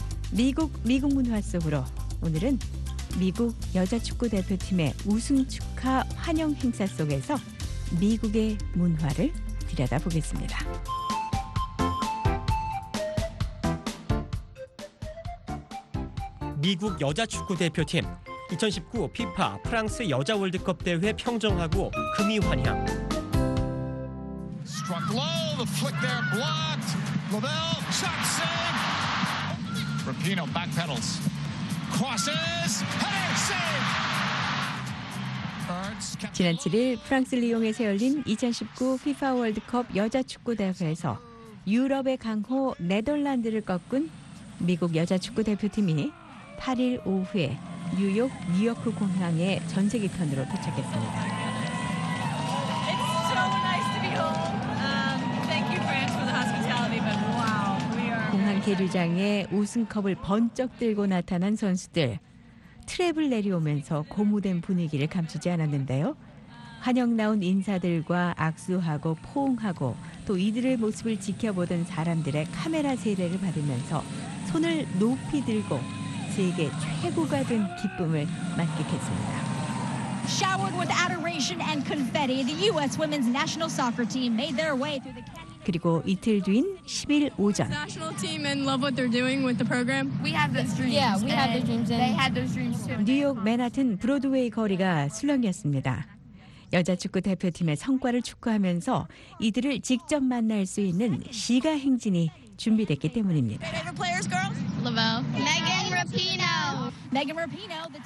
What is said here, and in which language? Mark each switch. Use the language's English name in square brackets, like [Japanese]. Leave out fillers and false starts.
[Korean] 미국, 미국 문화 속으로 오늘은 미국 여자축구대표팀의 우승 축하 환영 행사 속에서 미국의 문화를 들여다보겠습니다. 미국 여자축구대표팀 2019 FIFA 프랑스 여자 월드컵 대회 평정하고 금의 환영. [English] Struck low, the flick there blocked. Lavelle, shot save. Rapino back pedals. Crosses, header save. [Korean] 지난 7일 프랑스 리옹에서 열린 2019 FIFA 월드컵 여자 축구 대회에서 유럽의 강호 네덜란드를 꺾은 미국 여자 축구 대표팀이 8일 오후에 뉴욕 뉴요크 공항에 전세기 편으로 도착했습니다. [English] It's so nice to be home. Thank you, France, for the hospitality. But wow, we are. [Korean] 공항 계류장에 우승컵을 번쩍 들고 나타난 선수들 트랩을 내려오면서 고무된 분위기를 감추지 않았는데요. 환영 나온 인사들과 악수하고 포옹하고 또 이들의 모습을 지켜보던 사람들의 카메라 세례를 받으면서 손을 높이 들고. 세계 최고가 된 기쁨을 만끽했습니다. [English] Showered with adoration and confetti, the U.S. Women's National Soccer Team made their way through the canyon. [Korean] 그리고 이틀 뒤인 10일 오전. [English] National Team and love what they're doing with the program. We have those dreams. Yeah, we have those dreams. They had those dreams too. [Korean] 뉴욕 맨하튼 브로드웨이 거리가 술렁였습니다. 여자 축구 대표팀의 성과를 축하하면서 이들을 직접 만날 수 있는 시가 행진이 준비됐기 때문입니다. [English] Megan Rapinoe.